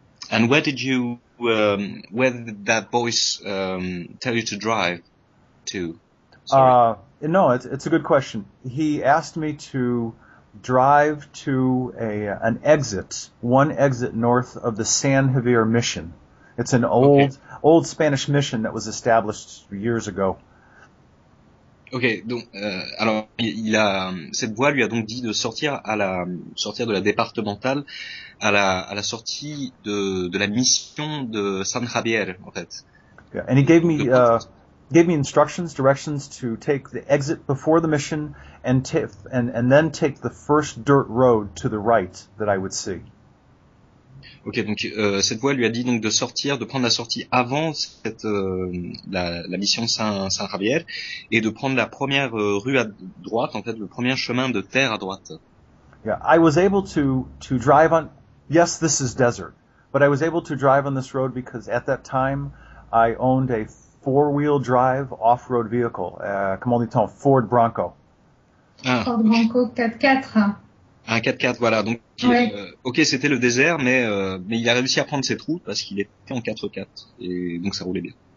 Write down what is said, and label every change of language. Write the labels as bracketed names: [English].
[English] And where did that voice tell you to drive to? No, it's a good question. He asked me to drive to one exit north of the San Javier Mission. It's an old Spanish mission that was established years ago. [French] Ok, donc alors cette voix lui a donc dit de sortir de la départementale à la sortie de la mission de San Javier en fait. [English] Yeah, and he gave me directions to take the exit before the mission and then take the first dirt road to the right that I would see. [French] Ok, donc cette voix lui a dit donc de prendre la sortie avant la mission Saint Javier et de prendre la première rue à droite, en fait le premier chemin de terre à droite. [English] Yeah, I was able to drive on. Yes, this is desert, but I was able to drive on this road because at that time I owned a four-wheel drive off-road vehicle, [French] comment dit-on, [English] Ford Bronco. Ford Bronco 4x4. [French] Un 4x4, voilà. Donc, ouais. Ok, c'était le désert, mais il a réussi à prendre cette route parce qu'il était en 4x4 et donc ça roulait bien.